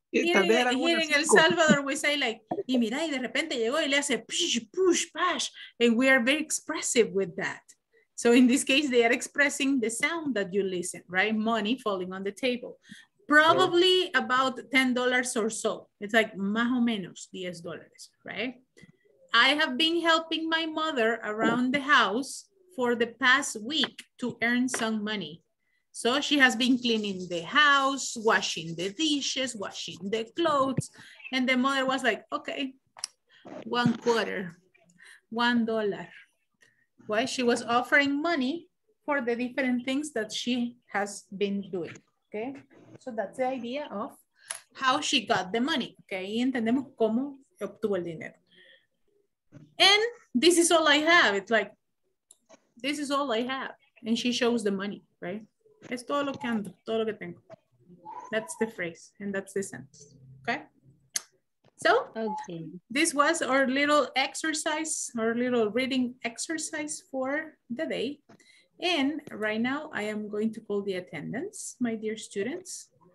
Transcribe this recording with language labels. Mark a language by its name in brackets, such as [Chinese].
[Spanish] Hearing El Salvador, [English] we say like, [Spanish] y mira, y de repente llegó y le hace push, push, push. [English] And we are very expressive with that. So in this case, they are expressing the sound that you listen, right? Money falling on the table. Probably about $10 or so. It's like [Spanish] más o menos [English] $10, right? I have been helping my mother around the house for the past week to earn some money. So she has been cleaning the house, washing the dishes, washing the clothes. And the mother was like, okay, $1. Why? She was offering money for the different things that she has been doing, okay? So that's the idea of how she got the money. Okay, [Spanish] y entendemos cómo obtuvo el dinero. [English] And this is all I have. It's like, this is all I have. And she shows the money, right? [Spanish] Es todo lo que ando, todo lo que tengo. [English] That's the phrase and that's the sentence, okay? So this was our little exercise, our little reading exercise for the day. And right now I am going to call the attendance, my dear students.